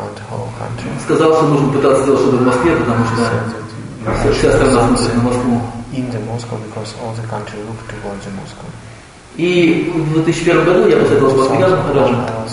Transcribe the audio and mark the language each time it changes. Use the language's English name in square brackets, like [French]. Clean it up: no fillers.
[Russian] Он сказал, что нужно пытаться сделать что-то в Москве, потому что вся страна смотрит на Москву. [English] In the Moscow, because all the country looked towards the Moscow. [Russian] И в 2001 году я посоветовал Шрила Махараджа.